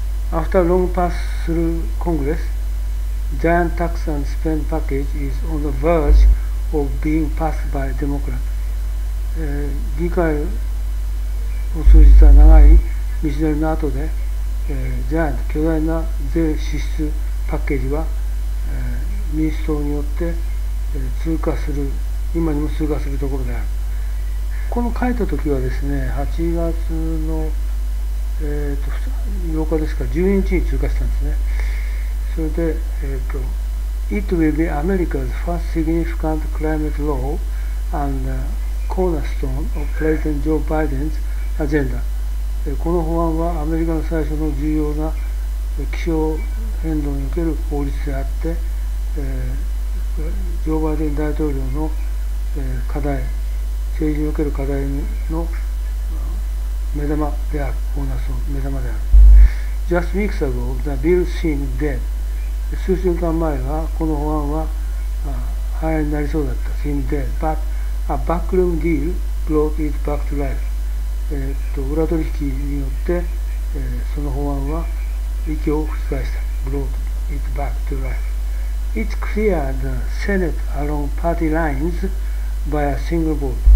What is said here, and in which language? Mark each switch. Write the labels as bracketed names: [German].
[English] After long pass through Congress, giant tax and spend package is on the verge of being passed by Democrats. [Japanese] 議会を通じた長い道のりの後で、ジャイアント巨大な税支出パッケージは、民主党によって、通過する、今にも通過するところである。この書いた時はですね、8月の、8日ですか、12日に通過したんですね。それで、 [English] It will be America's first significant climate law and cornerstone of President Joe Biden's agenda。 [Japanese] この法案はアメリカの最初の重要な気象変動における法律であって、ジョー・バイデン大統領の、課題、政治における課題の目玉である。コーナーストーン、目玉である。 [English] Just weeks ago, the bill seemed dead。 [Japanese] 数週間前はこの法案は廃案になりそうだった。 [English] seemed dead, but a backroom deal brought it back to life。 [Japanese] 裏取引によって、その法案は息を吹き返した。 [English] brought it back to life。 It cleared the Senate along party lines by a single vote。